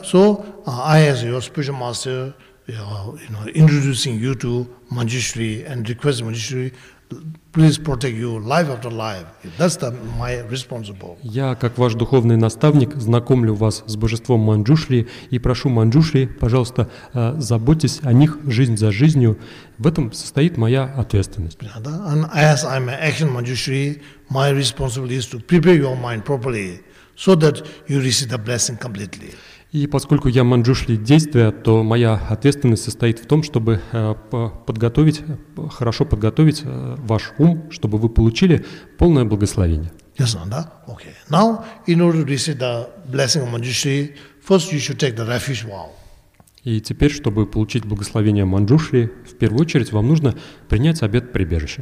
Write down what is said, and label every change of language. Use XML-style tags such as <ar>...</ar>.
<en>So I as your spiritual master, you know, introducing you to Manjushri and request Manjushri, please protect you life after life. That's the my responsible.</en> <ru>Я как ваш духовный наставник знакомлю вас с божеством Манджушри и прошу Манджушри, пожалуйста, заботьтесь о них жизнь за жизнью. В этом состоит моя ответственность. Yeah, да?</ru> <en>And as I'm an action Manjushri, my responsibility is to prepare your mind properly so that you receive the blessing completely.</en> <ru>И поскольку я манджушли действия, то моя ответственность состоит в том, чтобы подготовить, хорошо подготовить ваш ум, чтобы вы получили полное благословение. Ясно, да? Okay.</ru> <en>Now, in order to receive the blessing of Manjushri, first you should take the refuge vow.</en> <ru>И теперь, чтобы получить благословение манджушли, в первую очередь вам нужно принять обет прибежища.</ru>